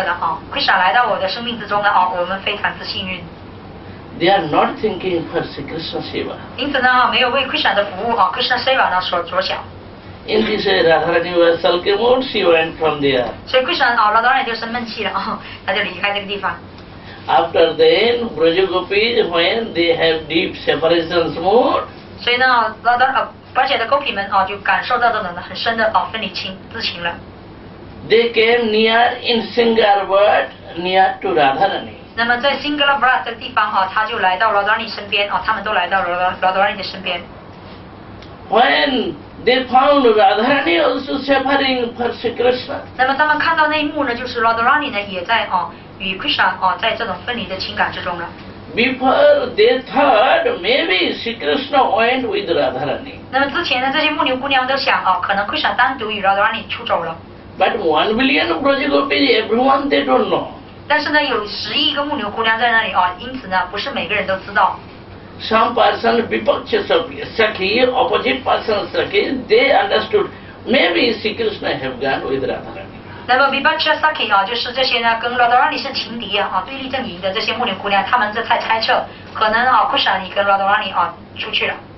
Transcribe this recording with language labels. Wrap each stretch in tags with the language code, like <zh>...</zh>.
<zh>所以他们只想自己的，就是一己的快乐呢，Krishna来到我的生命之中呢，我们非常之幸运。</zh> <en>They are not thinking for Sri Krishna Seva.</en> <zh>因此呢，没有为 Krishna 的服务，Krishna Seva 呢所着想。</zh> <en>In this way, Radharani was sulky mood, she went from there.</en> <zh>所以 Krishna，Radharani 就生闷气了，他就离开这个地方。</zh> <en>After then, Braja Gopis, when they have deep separation mood.</en> <zh>所以呢，Radharani，而且的Gopis们，就感受到这种很深的分离情之情了。</zh> <en>They came near in single word near to Radharani.</en> <zh>那么在</zh> <en>single word</en> <zh>的地方，他就来到 Radharani 身边，他们都来到 Radharani 的身边。</zh> <en>When they found Radharani also suffering for Sri Krishna.</en> <zh>那么他们看到那一幕呢，就是 Radharani 呢也在与 Krishna 在这种分离的情感之中了。</zh> <en>Before they thought maybe Sri Krishna went with Radharani.</en> <zh>那么之前呢，这些牧牛姑娘都想，可能 Krishna 单独与 Radharani 出走了。</zh> <en>But 1 billion Braja Gopis, everyone they don't know.</en> <zh>但是呢，有十亿个牧牛姑娘在那里，因此呢，不是每个人都知道。</zh> <en>Some person vipaksha sakhi, opposite person sakhi, they understood maybe Sri Krishna have gone with Radharani.</en> <zh>那么 vipaksha sakhi，就是这些呢，跟 Radharani 是情敌，对立阵营的这些牧牛姑娘，他们在猜测，可能Krishna你跟 Radharani出去了。</zh>